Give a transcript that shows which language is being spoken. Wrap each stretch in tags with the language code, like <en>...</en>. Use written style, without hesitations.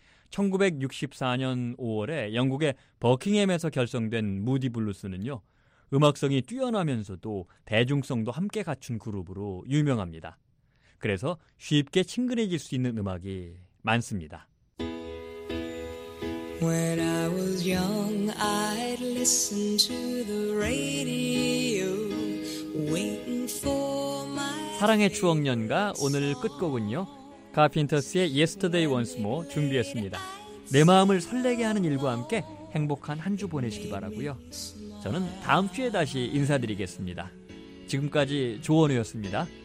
<ko>1964년 5월에 영국의 버킹햄에서 결성된 무디 블루스는요, 음악성이 뛰어나면서도 대중성도 함께 갖춘 그룹으로 유명합니다. 그래서 쉽게 친근해질 수 있는 음악이 많습니다.</ko> <en>When I was young, I'd listen to the radio, waiting for my favorite.</en> <ko>사랑의 추억연가 오늘 끝곡은요, 카핀터스의 Yesterday Once More 준비했습니다. 내 마음을 설레게 하는 일과 함께 행복한 한 주 보내시기 바라고요. 저는 다음 주에 다시 인사드리겠습니다. 지금까지 조원우였습니다.</ko>